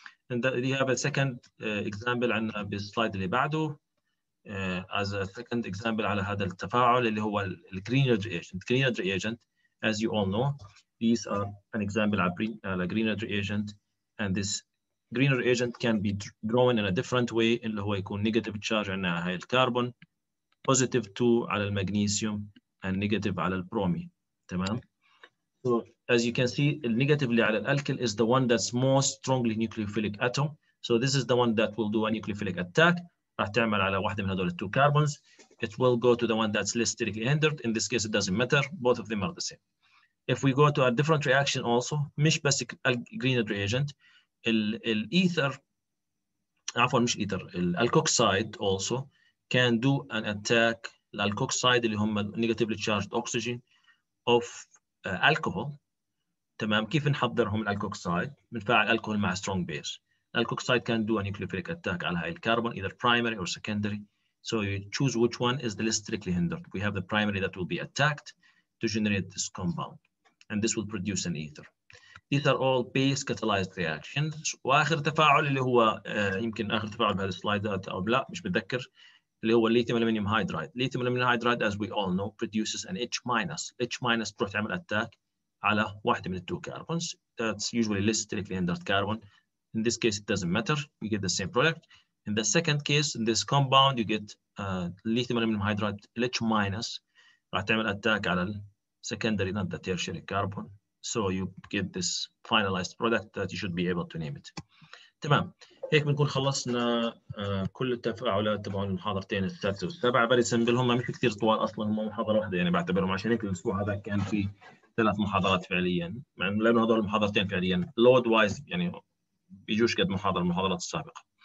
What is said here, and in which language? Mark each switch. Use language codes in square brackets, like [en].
[en] And we have a second example [ar] عن السلايد اللي بعده. [en] As a second example [ar] على هذا التفاعل اللي هو ال [en] Grignard's reagent. Grignard's reagent, as you all know, these are an example of Grignard's reagent, and this Grignard's reagent can be drawn in a different way. [ar] اللي هو يكون [en] negative charge [ar] عنا هاي الكربون، [en] positive two [ar] على المغنيسيوم، [en] and negative [ar] على البروميوم. تمام. [en] So as you can see, the negative [ar] اللي على الألكل [en] is the one that's most strongly nucleophilic atom. So this is the one that will do a nucleophilic attack. [ar] راح تعمل على واحدة من هذول [en] two carbons. It will go to the one that's less strictly hindered. In this case, it doesn't matter. Both of them are the same. If we go to a different reaction also, [ar] مش بس [en] Grignard reagent, [ar] الإيثر، عفوا مش إيثر، الألكوكسايد [en] also can do an attack. [ar] الألكوكسايد اللي هم [en] negatively charged oxygen of alcohol. [ar] تمام، كيف نحضرهم الألكوكسايد؟ بنفعل الكحول مع [en] strong base. Alkoxide can do a nucleophilic attack [ar] على هاي الكربون [en] either primary or secondary. So you choose which one is the least strictly hindered. We have the primary that will be attacked to generate this compound. And this will produce an ether. These are all base catalyzed reactions. [ar] وآخر تفاعل اللي هو يمكن آخر تفاعل بهذا السلايد أو لا مش بتذكر، اللي هو [en] lithium aluminum hydride. Lithium aluminum hydride, as we all know, produces an H minus. [ar] H minus بروح تعمل attack على واحدة من التو كربونز. [en] That's usually less strictly hindered carbon. In this case, it doesn't matter. We get the same product. In the second case, in this compound, you get lithium aluminum hydride LH minus. [ar] راح تعمل attack على [en] secondary, not the tertiary carbon. So you get this finalized product that you should be able to name it. [ar] تمام. هيك بنكون خلصنا كل التفاعلات تبعون المحاضرتين الثالثة والسابعة. [en] Very simple. [ar] هم مش كثير طوال أصلا. هم محاضرة واحدة يعني بعتبرهم، عشان هيك الأسبوع هذا كان في ثلاث محاضرات فعليا. لأنه هذول المحاضرتين فعليا [en] load wise [ar] يعني بيجوش قد محاضرة المحاضرات السابقة.